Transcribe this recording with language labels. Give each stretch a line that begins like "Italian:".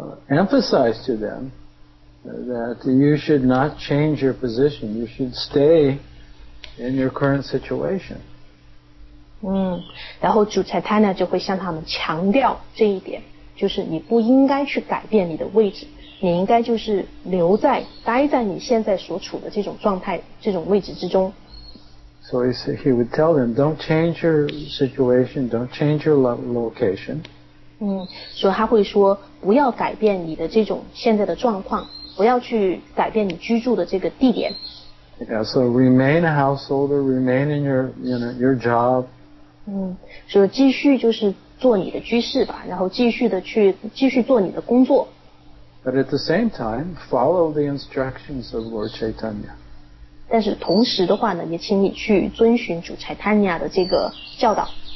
English: Emphasize to them that you should not change your position. You should stay in your current situation.
Chinese: 然后主 Chaitanya 就会向他们强调这一点，就是你不应该去改变你的位置，你应该就是待在你现在所处的这种状态、这种位置之中。
English: So he would tell them, don't change your situation, don't change your location.
Chinese: 所以他会说不要改变你的这种现在的状况，不要去改变你居住的这个地点。
English: Yeah, so remain a householder, remain in your, you know, your job.
Chinese: 嗯，所以继续就是做你的居士吧，然后继续的去继续做你的工作。
English: But at the same time, follow the instructions of Lord Chaitanya.
Chinese: 但是同时的话呢，也请你去遵循主柴坦尼亚的这个教导。